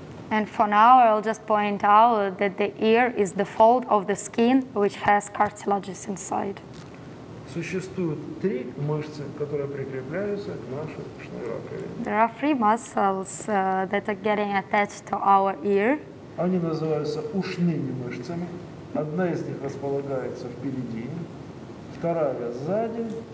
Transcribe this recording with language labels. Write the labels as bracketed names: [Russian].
[English] And for now, I'll just point out that the ear is the fold of the skin which has cartilages inside. [Russian] Существуют три мышцы, которые прикрепляются к нашей ушной раковине. [English] There are three muscles that are getting attached to our ear. [Russian] Они называются ушными мышцами. Одна из них располагается впереди, вторая сзади.